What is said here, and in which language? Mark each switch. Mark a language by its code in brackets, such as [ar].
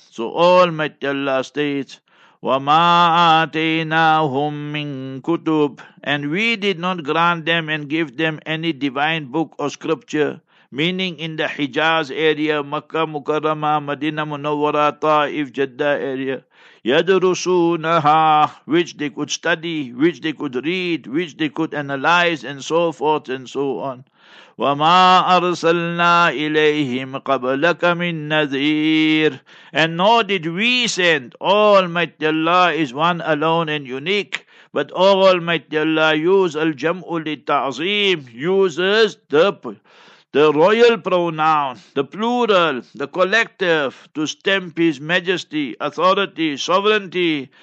[en] So Almighty Allah states, [ar] وَمَا آتَيْنَاهُمْ مِنْ كُتُبٍ, [en] and we did not grant them and give them any divine book or scripture, meaning in the Hijaz area, Makkah Mukarrama, Medina Munawwara, Taif, Jeddah area, [ar] يَدْرُسُونَهَا, [en] which they could study, which they could read, which they could analyze, and so forth and so on. [ar] وَمَا أَرْسَلْنَا إِلَيْهِمْ قَبْلَكَ مِنْ نَذِيرٍ, [en] and nor did we send. Almighty Allah is one alone and unique, but Almighty Allah use al-jam'u lit-ta'zim, uses the royal pronoun, the plural, the collective, to stamp his majesty, authority, sovereignty.